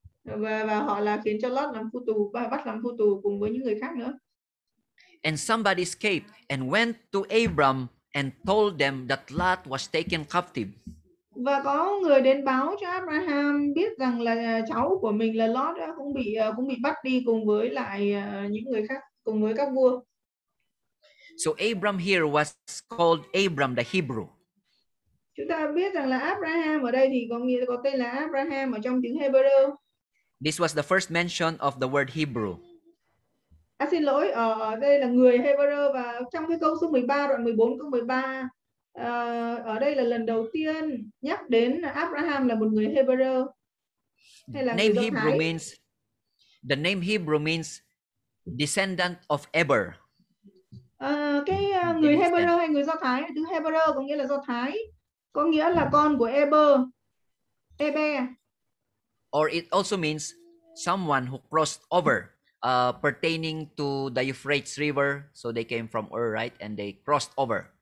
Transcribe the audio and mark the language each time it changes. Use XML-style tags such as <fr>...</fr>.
<vi>Và họ là khiến cho Lot làm phu tù và bắt làm phu tù cùng với những người khác nữa.</vi> <en>And somebody escaped and went to Abram and told them that Lot was taken captive.</en> <vi>Và có người đến báo cho Abraham biết rằng là cháu của mình là Lot cũng bị bắt đi cùng với lại những người khác, cùng với các vua.</vi> <en>So Abram here was called Abram the Hebrew.</en> <vi>Chúng ta biết rằng là Abraham ở đây thì có nghĩa có tên là Abraham ở trong tiếng Hebrew.</vi> <en>This was the first mention of the word Hebrew.</en> <vi>À, xin lỗi, ở đây là người Hebrew và trong cái câu số 13 đoạn 14 câu 13 ở đây là lần đầu tiên nhắc đến Abraham là một người Hebrew.</vi> <en>Name Hebrew means, the name Hebrew means descendant of Eber.</en> <vi>Người Hebrew hay người Do Thái, từ Hebrew có nghĩa là Do Thái, có nghĩa là con của Eber.</vi> <en>Or it also means someone who crossed over pertaining to the Euphrates River, so they came from Ur, right, and they crossed over.</en>